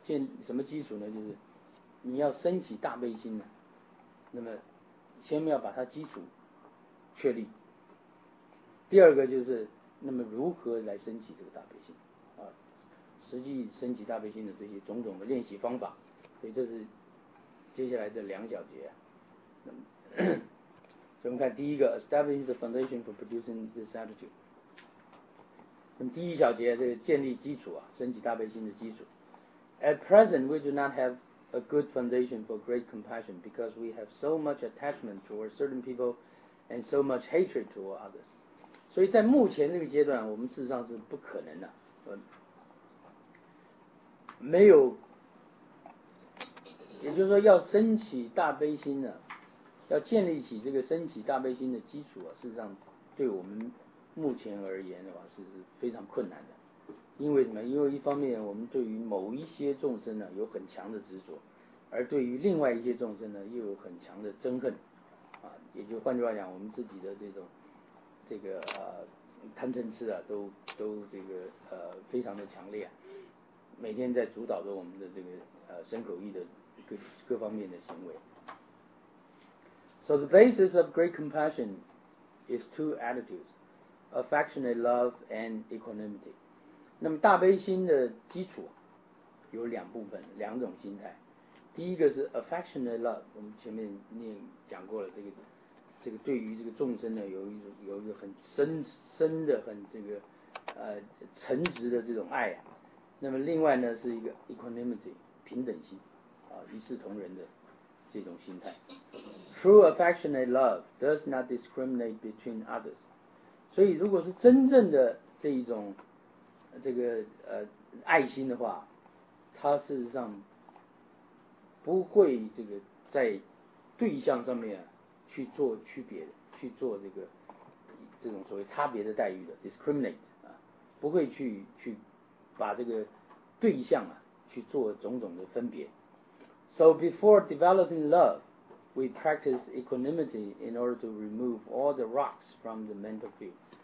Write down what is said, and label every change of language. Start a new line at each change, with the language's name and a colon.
Chinese: 建什么基础呢？就是你要升起大悲心呢，那么先要把它基础确立，第二个就是那么如何来升起这个大悲心啊，实际升起大悲心的这些种种的练习方法，所以这是接下来这两小节。那么所以我们看第一个
English: establish the foundation for producing this attitude，
Chinese: 那么第一小节这个建立基础啊，升起大悲心的基础。
English: At present we do not haveA good foundation for great compassion because we have so much attachment toward certain people and so much hatred toward others.
Chinese: 所以在目前这个阶段我们事实上是不可能的，没有，也就是说要升起大悲心呢，要建立起这个升起大悲心的基础啊，事实上对我们目前而言的话是非常困难的。因为什么？因为一方面我们对于某一些众生呢有很强的执着，而对于另外一些众生呢又有很强的憎恨，啊，也就换句话讲，我们自己的这种这个贪嗔痴啊，都这个非常的强烈，每天在主导着我们的这个身口意的各方面的行为。
English: So the basis of great compassion is two attitudes: affectionate love and equanimity.
Chinese: 那么大悲心的基础有两部分，两种心态。第一个是 affectionate love， 我们前面念讲过了，这个对于这个众生呢有一个很深的很这个诚挚的这种爱啊。那么另外呢是一个 equanimity 平等心啊，一视同仁的这种心态。
English: True affectionate love does not discriminate between others。
Chinese: 所以如果是真正的这一种这个爱心的话，它事实上不会这个在对象上面去做区别，去做这种所谓差别的待遇的 discriminate 啊，不会去把这个对象啊去做种种的分别。
English: So before developing love, we practice equanimity in order to remove all the rocks from the mental field.